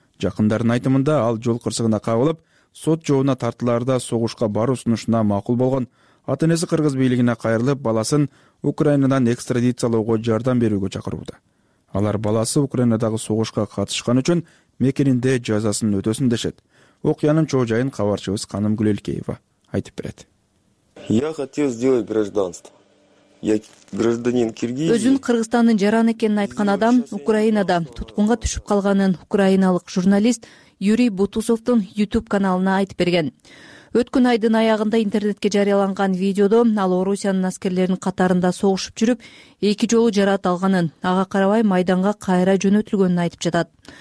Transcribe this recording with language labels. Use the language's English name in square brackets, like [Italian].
[Kyrgyz] Жакындарынын айтымында ал жол кырсыгына кабылып, сот жообуна тартыларда согушка баруу сунушуна макул болгон. Ата-энеси кыргыз бийлигине кайрылып, баласын Украинадан экстрадициялоого жардам берүүгө чакырууда. Алар баласы Украинадагы согушка катышкан үчүн мекенинде жазасын өтөсүн дешет. Окуянын чоо жайын кабарчыбыз Каным Гүлелкеева айтып берет. [Russian] Я хотел сделать гражданство. Я гражданин Киргизии. [Kyrgyz] Өзүн Кыргызстандын жаран экенин айткан адам Украинада туткунга түшүп калганын украиналык журналист Юрий Бутусовтун YouTube каналына айтып берген. Өткөн айдын аягында интернетке жарыяланган видеодо ал Орусиянын аскерлеринин катарында согушуп жүрүп, эки жолу жараат алганын, ага карабай майданга кайра жөнөтүлгөнүн айтып жатат.